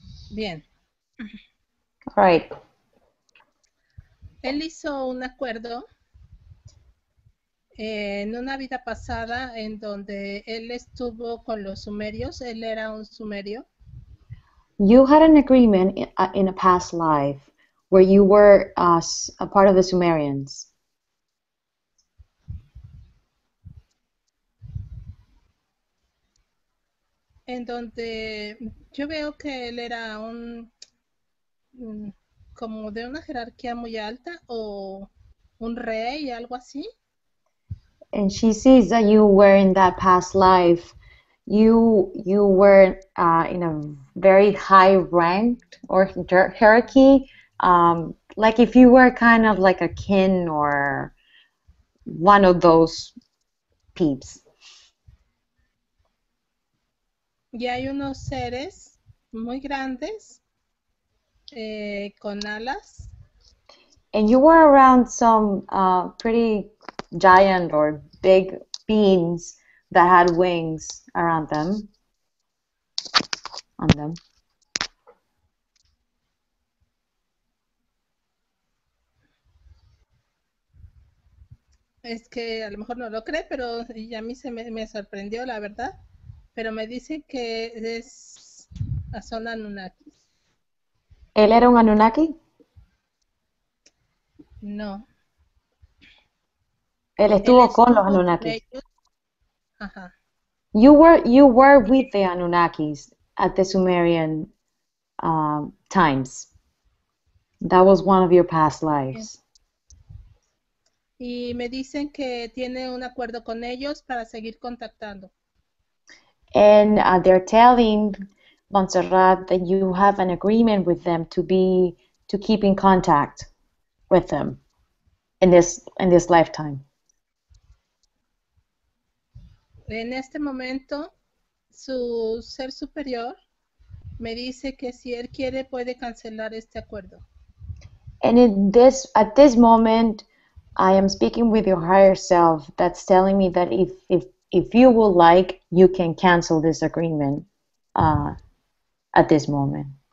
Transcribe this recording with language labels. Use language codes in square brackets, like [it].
[es] Bien. [en] All right. [es] Él hizo un acuerdo en una vida pasada en donde él estuvo con los sumerios. Él era un sumerio. [en] You had an agreement in a past life where you were a part of the Sumerians. [es] En donde yo veo que él era un como de una jerarquía muy alta o un rey, algo así. [en] And she sees that you were in that past life. You were in a very high ranked or hierarchy, like if you were kind of like a kin or one of those peeps. [es] Y hay unos seres muy grandes con alas. [en] And you were around some pretty giant or big beings that had wings around them, on them. [es] Es que a lo mejor no lo cree, pero y a mí se me sorprendió, la verdad. Pero me dice que es son Anunnaki. ¿Él era un Anunnaki? No. Él estuvo con los Anunnaki. Ajá. [en] You were with the Anunnakis at the Sumerian times. That was one of your past lives. [es] Y me dicen que tiene un acuerdo con ellos para seguir contactando. [en] And they're telling Montserrat that you have an agreement with them to keep in contact with them in this lifetime. [es] En este momento, su ser superior me dice que si él quiere puede cancelar este acuerdo. [en] And at this moment, I am speaking with your higher self that's telling me that if you would like, you can cancel this agreement at this moment.